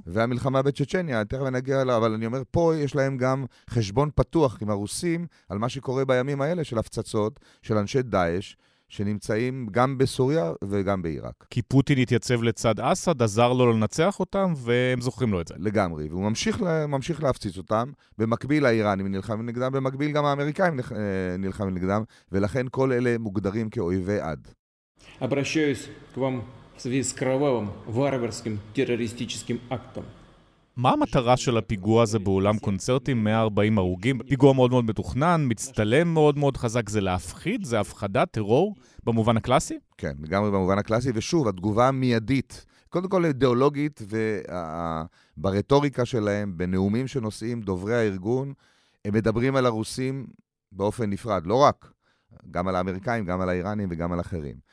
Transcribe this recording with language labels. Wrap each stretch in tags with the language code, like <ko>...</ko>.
<he>והמלחמה בצ'צ'ניה, תכף נגיע אליו, אבל אני אומר, פה יש להם גם חשבון פתוח עם הרוסים על מה שקורה בימים האלה של הפצצות של אנשי דאש, שנמצאים גם בסוריה וגם בעיראק. כי פוטין התייצב לצד אסד, עזר לו לנצח אותם, והם זוכרים לו את זה. לגמרי, והוא ממשיך להפציץ אותם, במקביל האיראנים נלחמים נגדם, במקביל גם האמריקאים נלחמים נגדם, ולכן כל אלה מוגדרים כאויבי עד.</he> <ru>обращаюсь к вам в связи с кровавым варварским террористическим актом.</ru> <he>מה המטרה של הפיגוע הזה באולם קונצרטים? 140 הרוגים, פיגוע מאוד מאוד מתוכנן, מצטלם מאוד מאוד חזק, זה להפחיד, זה הפחדה, טרור, במובן הקלאסי? כן, לגמרי במובן הקלאסי, ושוב, התגובה המיידית, קודם כל אידיאולוגית, וברטוריקה שלהם, בנאומים שנושאים, דוברי הארגון, הם מדברים על הרוסים באופן נפרד, לא רק, גם על האמריקאים, גם על האיראנים וגם על אחרים.</he>